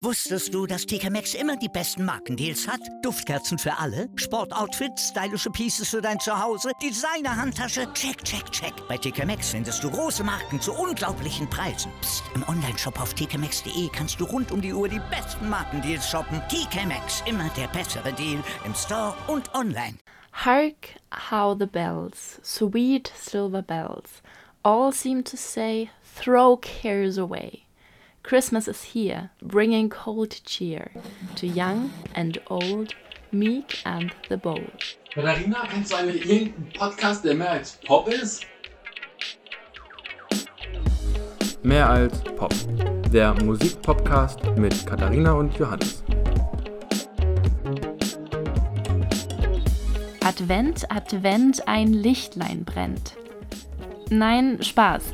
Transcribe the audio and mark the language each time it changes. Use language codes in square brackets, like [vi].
[de] Wusstest du, dass TK Maxx immer die besten Markendeals hat? Duftkerzen für alle, Sportoutfits, stylische Pieces für dein Zuhause, Designer-Handtasche, check, check, check. Bei TK Maxx findest du große Marken zu unglaublichen Preisen. Psst. Im Onlineshop auf tkmaxx.de kannst du rund um die Uhr die besten Markendeals shoppen. TK Maxx, immer der bessere Deal im Store und online. [en] Hark how the bells, sweet silver bells, all seem to say, throw cares away. Christmas is here, bringing cold cheer to young and old, meek and the bold. [de] Katharina, kennst du eigentlich irgendeinen Podcast, der mehr als Pop ist? Mehr als Pop. Der Musikpodcast mit Katharina und Johannes. Advent, Advent, ein Lichtlein brennt. Nein, Spaß.